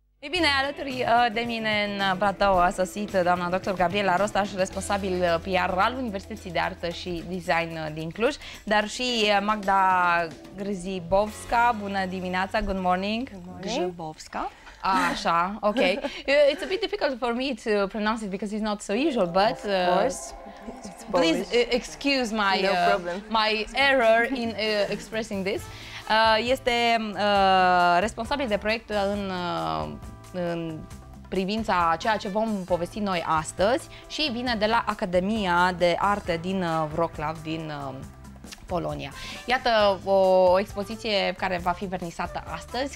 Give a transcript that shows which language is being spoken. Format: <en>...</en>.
<ro>Bine, alături de mine în platou a sosit doamna dr. Gabriela Rostaș, responsabil PR al Universității de Artă și Design din Cluj, dar și Magda Grzibovska. Bună dimineața,</ro> <en>good morning.</en> <ro>Grzibovska. Așa, ok.</ro> <en>It's a bit difficult for me to pronounce it because it's not so usual, but... Of course. Please excuse my, no problem. My error in expressing this.</en> <ro>Este responsabil de proiect în privința ceea ce vom povesti noi astăzi și vine de la Academia de Arte din Wroclaw, din Polonia. Iată o expoziție care va fi vernisată astăzi.</ro>